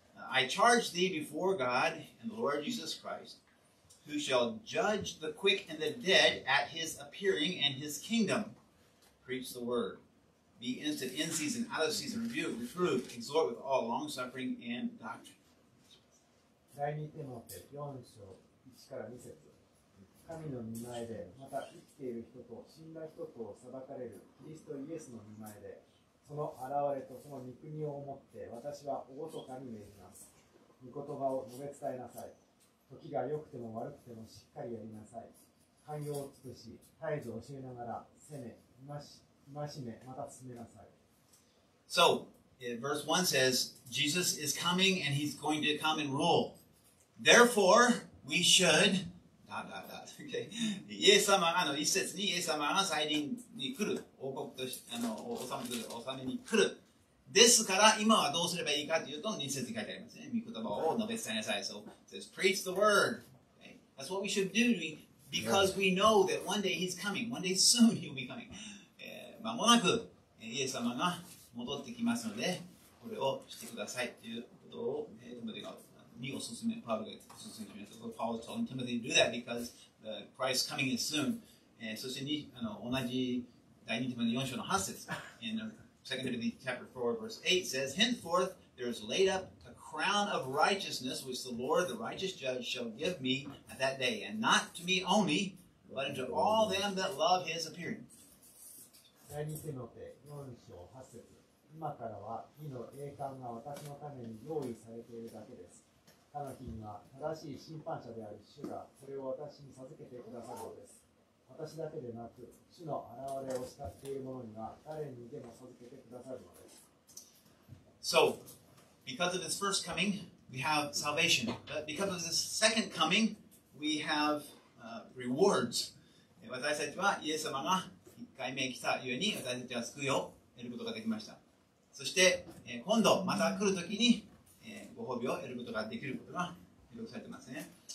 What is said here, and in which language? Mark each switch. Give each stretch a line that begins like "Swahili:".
English: I charge thee before God and the Lord Jesus Christ. Who shall judge the quick and the dead at his appearing and his kingdom? Preach the word. Be instant in season, out of season, rebuke, reprove, exhort with all long suffering and doctrine.
Japanese: 第2テモテ4章1から2節。神の御前で、また生きている人と死んだ人とを裁かれるキリストイエスの御前で、その現れとその御国をもって、私は厳かに命じます。御言葉を述べ伝えなさい。時が良くても悪くてもしっかりやりなさい。寛容を尽くし、絶えず教えながら、責め、戒め、また進めなさい。
English: So, verse 1 says, Jesus is coming and he's going to come and rule. Therefore, we should...
Japanese: Okay. イエス様が、一節にイエス様が再臨に来る。王国として、治めに来る。ですから今はどうすればいいかというと2節に書いてありますね。御言葉を述べ伝えなさい。
English: So it says, preach the word.、Okay. That's what we should do because we know that one day he's coming. One day soon he'll be coming.
Japanese: まもなくイエス様が戻ってきますので、これをしてくださいということを、Timothy がにおすすめ、Paul がおすすめします。
English: So Paul is telling Timothy to do that because Christ is coming soon.、
Japanese: そしてに同じ第2 Timothy 4章の8節。
English: 2 Timothy chapter 4, verse 8 says, Henceforth there is laid up a crown of righteousness which the Lord, the righteous judge, shall give me at that day, and not to me only, but unto all them that love his appearing.
Japanese: 第2テモテ4章8節今からは義の栄冠が私のために用意されているだけです。他の日には正しい審判者である主がそれを私に授けてくださるのです。私だけでなく、主の現れを慕っている者には誰にでも授けてくださるのです。
English: So, because of this first coming, we have salvation. But because of this second coming, we have rewards.
Japanese: 私たちはイエス様が一回目来たゆえに、私たちは救いを得ることができました。そして、今度また来るときに、ご褒美を得ることができることが記録されていますね。